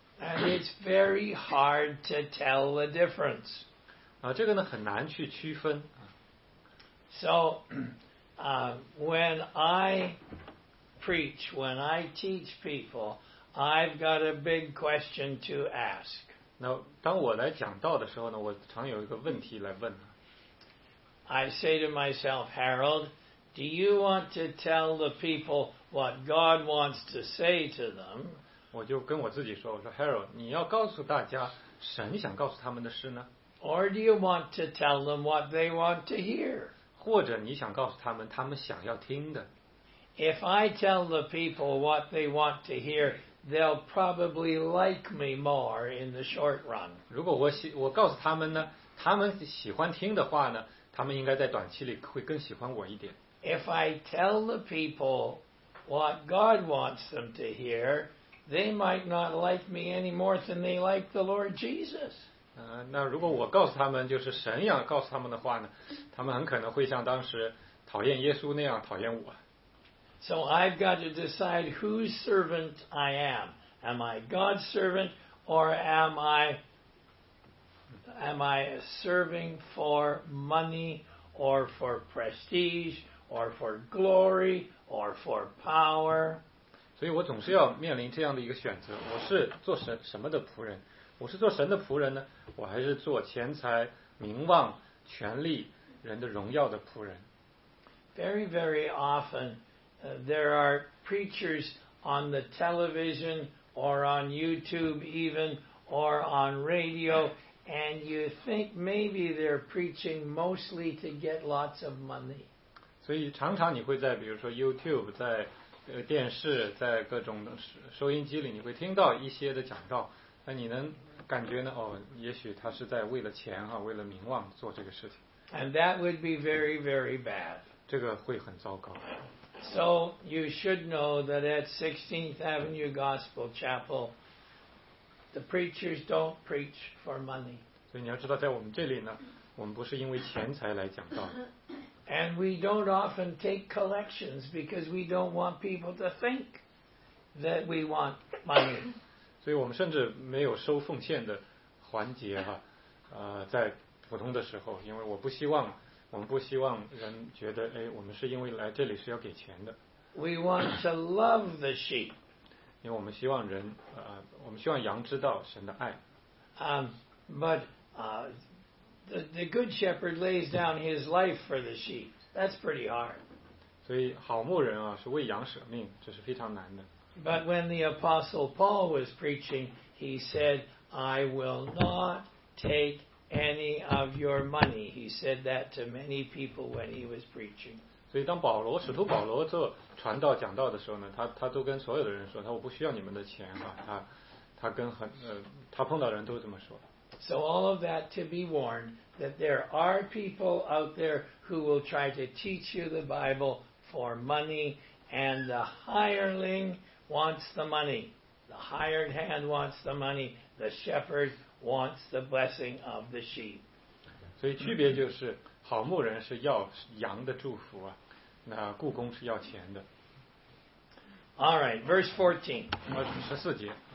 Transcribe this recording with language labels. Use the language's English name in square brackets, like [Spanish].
[English] And it's very hard to tell the difference. [Chinese] 啊，这个呢很难去区分。 [English] So, when I preach, when I teach people, I've got a big question to ask. [Chinese] 那当我来讲道的时候呢，我常有一个问题来问。 [English] I say to myself, Harold, do you want to tell the people what God wants to say to them? [Chinese] 我就跟我自己说，我说 Harold, 你要告诉大家神想告诉他们的事呢 [English] ？Or do you want to tell them what they want to hear? [Chinese] 或者你想告诉他们他们想要听的 [English] ？If I tell the people what they want to hear. They'll probably like me more in the short run. [Chinese] 如果我告诉他们呢，他们喜欢听的话呢，他们应该在短期里会更喜欢我一点。 [English] If I tell the people what God wants them to hear, they might not like me any more than they like the Lord Jesus. [Chinese] 那如果我告诉他们就是神要告诉他们的话呢，他们很可能会像当时讨厌耶稣那样讨厌我。 [English] So I've got to decide whose servant I am. Am I God's servant or am I serving for money or for prestige or for glory or for power? [Chinese] 所以我总是要面临这样的一个选择。我是做什么的仆人？我是做神的仆人呢？我还是做钱财、名望、权力、人的荣耀的仆人？ [English] Very, very often,there are preachers on the television or on YouTube even or on radio and you think maybe they're preaching mostly to get lots of money. [Chinese] 所以常常你会在比如说 YouTube 在电视在各种收音机里你会听到一些的讲道那你能感觉呢哦，也许他是在为了钱啊，为了名望做这个事情 [English] And that would be very, very bad. [Chinese] 这个会很糟糕 [English] So you should know that at 16th Avenue Gospel Chapel, the preachers don't preach for money. [Chinese] 所以你要知道，在我们这里呢，我们不是因为钱财来讲道。 [English] And we don't often take collections because we don't want people to think that we want money. [Chinese] 所以我们甚至没有收奉献的环节哈，在普通的时候，因为我不希望。我们不希望人觉得，哎，我们是因为来这里是要给钱的。 [English] We want to love the sheep. [Chinese] 因为我们希望人，我们希望羊知道神的爱。 [English] But the good shepherd lays down his life for the sheep. That's pretty hard. [Chinese] 所以好牧人啊，是为羊舍命，这是非常难的。 [English] But when the apostle Paul was preaching, he said, "I will not take." Any of your money, he said that to many people when he was preaching. [Chinese] 所以当保罗使徒保罗做传道讲道的时候呢，他都跟所有的人说，他我不需要你们的钱啊，他跟他碰到人都这么说。 [English] So all of that to be warned that there are people out there who will try to teach you the Bible for money, and the hireling wants the money, the hired hand wants the money, the shepherd. Wants the blessing of the sheep. [Chinese] 所以区别就是，好牧人是要羊的祝福啊，那雇工是要钱的。 [English] All right, verse 14. [Chinese] 十四节。